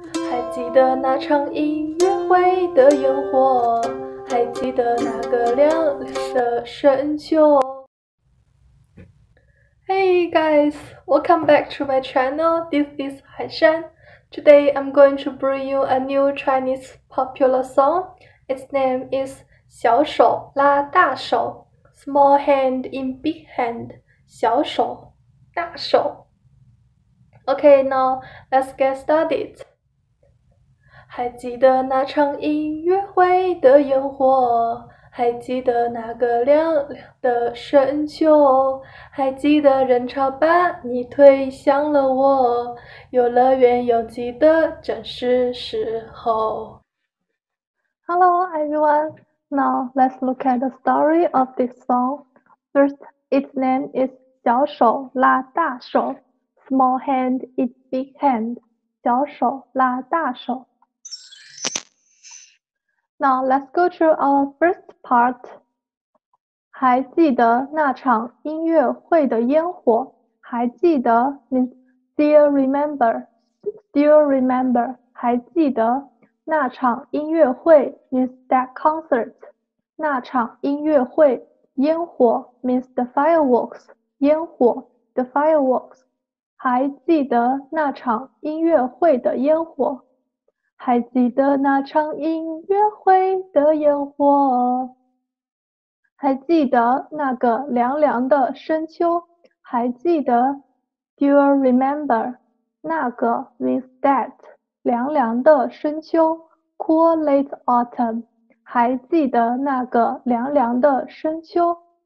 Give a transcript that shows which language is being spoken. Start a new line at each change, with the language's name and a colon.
Chinese: 还记得那场音乐会的烟火，还记得那个亮丽的声响。
English: Hey guys, welcome back to my channel. This is Haishan. Today I'm going to bring you a new Chinese popular song. Its name is 小手拉大手 Small hand in big hand.
Chinese: 小手大手。
English: Okay, now let's get started.
Chinese: 还记得那场音乐会的烟火，还记得那个亮亮的声响，还记得人潮把你推向了我，游乐园拥挤的正是时候。
English: Hello, everyone. Now let's look at the story of this song. First, its name is 小手拉大手。 Small hand is big hand. 小手拉大手。 Now let's go through our first part.
Chinese: 还记得那场音乐会的烟火？还记得
English: means still remember. Still remember.
Chinese: 还记得那场音乐会
English: means that concert.
Chinese: 那场音乐会烟火
English: means the fireworks.
Chinese: 烟火
English: the fireworks.
Chinese: 还记得那场音乐会的烟火，还记得那场音乐会的烟火，还记得那个凉凉的深秋，还记得
English: Do you remember
Chinese: 那个
English: means that
Chinese: 凉凉的深秋
English: Cool late autumn
Chinese: 还记得那个凉凉的深秋，